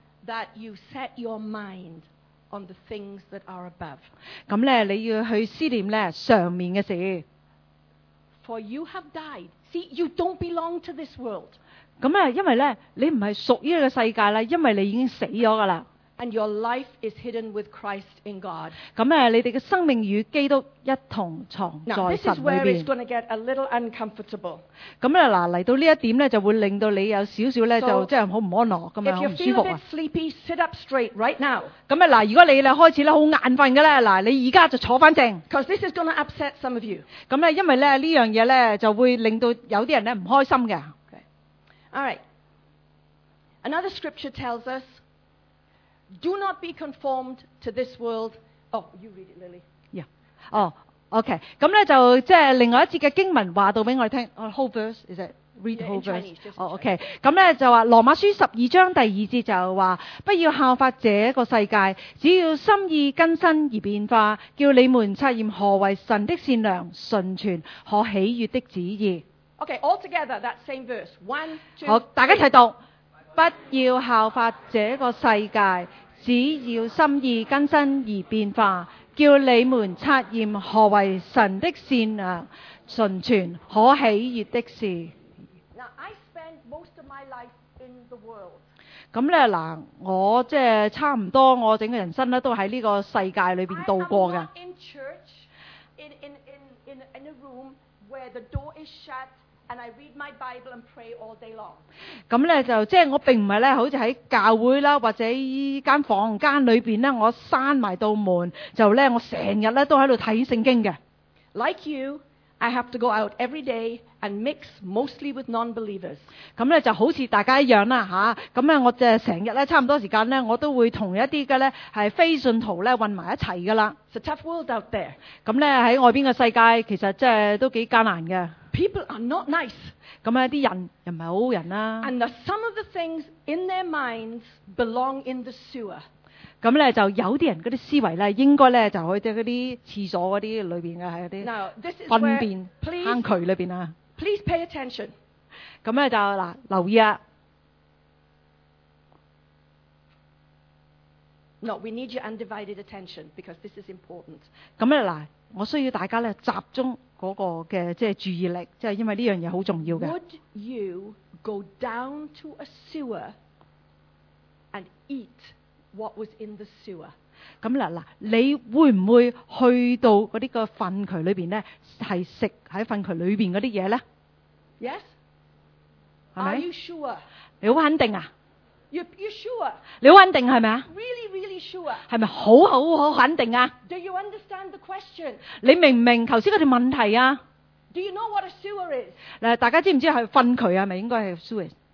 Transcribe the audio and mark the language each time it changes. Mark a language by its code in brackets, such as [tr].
[en] That you set your mind on the things that are above. [yue] 咁咧，你要去思念咧上面嘅事。 [en] For you have died. See, you don't belong to this world. [yue] 咁啊，因为咧，你唔系属于呢个世界啦，因为你已经死咗噶啦。 [en] And your life is hidden with Christ in God. [yue] 咁啊，你哋嘅生命与基督一同藏在神里边。 [en] Now this is where it's going to get a little uncomfortable. [yue] 咁啊，嗱，嚟到呢一点咧，就会令到你有少少咧，就即系好唔安乐咁样，好唔舒服啊。 [en] If you feel a bit sleepy, sit up straight right now. [yue] 咁啊，嗱，如果你咧开始咧好眼瞓嘅咧，嗱，你而家就坐翻正。 [en] Because this is going to upset some of you. [yue] 咁咧，因为咧呢样嘢咧就会令到有啲人咧唔开心嘅。 [en] All right. Another scripture tells us. Do not be conformed to this world. Oh, you read it, Lily. Yeah. Oh, okay. [yue] 咁咧就即系另外一节嘅经文话到俾我哋听。 [en] Whole verse is it? Read whole verse. Oh, okay. [yue] 咁咧就话罗马书十二章第二节就话，不要效法这个世界，只要心意更新而变化，叫你们察验何为神的善良、纯全和喜悦的旨意。 [en] Okay, all together that same verse. One, two. [yue] 好，大家一齐读。不要效法这个世界，只要心意更新而变化，叫你们察验何为神的善良、纯全、可喜悦的事。 [en] Now, I spend most of my life in the world. [yue] 咁咧嗱，我即系差唔多，我整个人生咧都喺呢个世界里边度过嘅。 [en] I'm not in church, in a room where the door is shut. And I read my Bible and pray all day long. [yue] 咁咧就即系我并唔系咧，好似喺教会啦，或者依间房间里边咧，我闩埋道门，就咧我成日咧都喺度睇圣经嘅。 [en] Like you, I have to go out every day and mix mostly with non-believers. [yue] 咁咧就好似大家一样啦吓，咁咧我就成日咧差唔多时间咧，我都会同一啲嘅咧系非信徒咧混埋一齐噶啦。 [en] It's a tough world out there. [yue] 咁咧喺外边嘅世界，其实即系都几艰难嘅。 [en] People are not nice. [yue] 咁啊，啲人又唔系好人啦。 [en] And the, some of the things in their minds belong in the sewer. [yue] 咁咧就有啲人嗰啲思维咧，应该咧就去啲嗰啲厕所嗰啲里边嘅，系嗰啲粪便坑渠里边啊。 [en] Please pay attention. [yue] 咁咧就嗱，留意啊。 [en] No, we need your undivided attention because this is important. [yue] 咁咧嗱，我需要大家咧集中嗰個嘅即係注意力，即係因為呢樣嘢好重要嘅。 [en] Would you go down to a sewer and eat what was in the sewer? [yue] 咁嗱嗱，你會唔會去到嗰啲個糞渠裏邊咧，係食喺糞渠裏邊嗰啲嘢咧 [en] ？Yes. Are you sure? [yue] 你好肯定啊？ [en] You sure? [yue] 你好肯定係咪啊 [en] ？Really, really sure? [yue] 係咪好好好肯定啊 [en] ？Do you understand the question? [yue] 你明唔明頭先嗰條問題啊 [en] ？Do you know what a sewer is? [yue] 嗱，大家知唔知係糞渠啊？咪應該係 sewer？